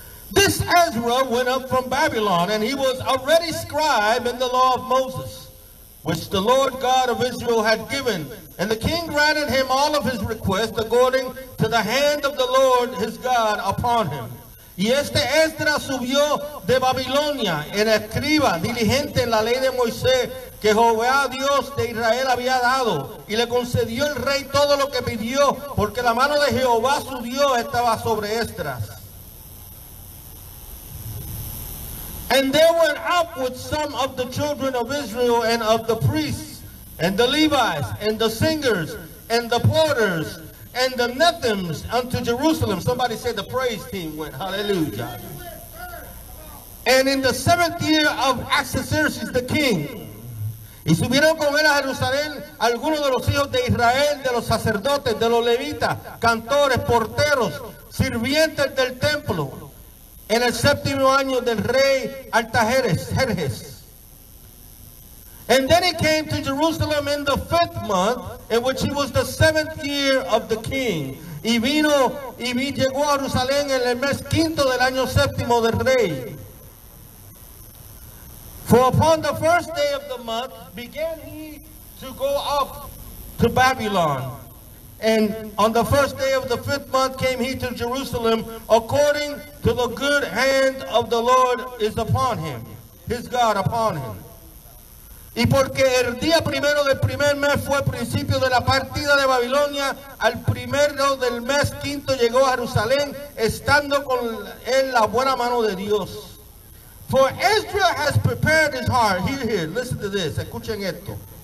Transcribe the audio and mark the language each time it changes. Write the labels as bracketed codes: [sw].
[en] This Ezra went up from Babylon, and he was a ready scribe in the law of Moses, which the Lord God of Israel had given. And the king granted him all of his requests according to the hand of the Lord his God upon him. [es] Y este Ezra subió de Babilonia, en escriba, diligente en la ley de Moisés, que Jehová Dios de Israel había dado, y le concedió el rey todo lo que pidió, porque la mano de Jehová su Dios estaba sobre Esdras. [en] And there went up with some of the children of Israel and of the priests and the Levites and the singers and the porters and the Nethims unto Jerusalem. Somebody said the praise team went. Hallelujah. And in the seventh year of Artaxerxes the king. [es] Y subieron con él a Jerusalén algunos de los hijos de Israel, de los sacerdotes, de los levitas, cantores, porteros, sirvientes del templo. En el séptimo año del rey Artajerjes. [en] And then he came to Jerusalem in the fifth month, in which he was the seventh year of the king. [es] Y vino y llegó a Jerusalén en el mes quinto del año séptimo del rey. [en] For upon the first day of the month began he to go up to Babylon. And on the first day of the fifth month came he to Jerusalem, according to the good hand of the Lord is upon him, his God upon him. [es] Y porque el día primero del primer mes fue principio de la partida de Babilonia, al primero del mes quinto llegó a Jerusalén, estando con él la buena mano de Dios. [en] For Ezra has prepared his heart. Here, listen to this. [es] Escuchen esto.